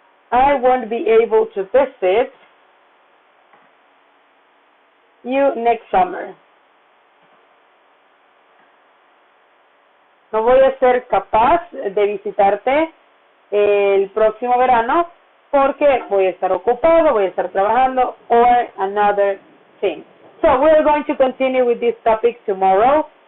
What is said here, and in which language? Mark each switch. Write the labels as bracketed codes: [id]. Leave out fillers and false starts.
[en] I won't be able to visit you next summer. [es] No voy a ser capaz de visitarte el próximo verano porque voy a estar ocupado, voy a estar trabajando, [en] or another thing. So we are going to continue with this topic tomorrow.